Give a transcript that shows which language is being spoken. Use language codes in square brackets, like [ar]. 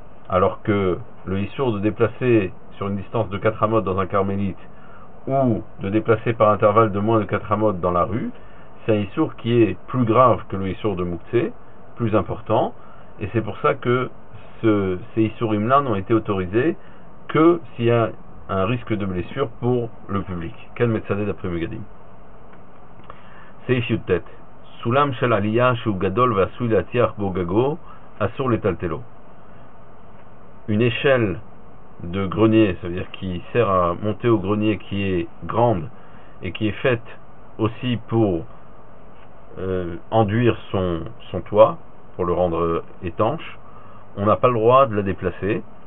[fr] Alors que le issur de déplacer sur une distance de 4 amot dans un carmélite ou de déplacer par intervalle de moins de 4 amot dans la rue, c'est un issur qui est plus grave que le issur de Moukhtse, plus important, et c'est pour ça que ces issurim-là n'ont été autorisés que s'il y a un risque de blessure pour le public. Quel metzadé d'après Megadim? Seif Yud Tet. [he] סולם של עלייה שהוא גדול ועשוי להטיח בו גגו, אסור לטלטלו. [fr] Une échelle de grenier, c'est-à-dire qui sert à monter au grenier, qui est grande et qui est faite aussi pour enduire son toit, pour le rendre étanche, on n'a pas le droit de la déplacer.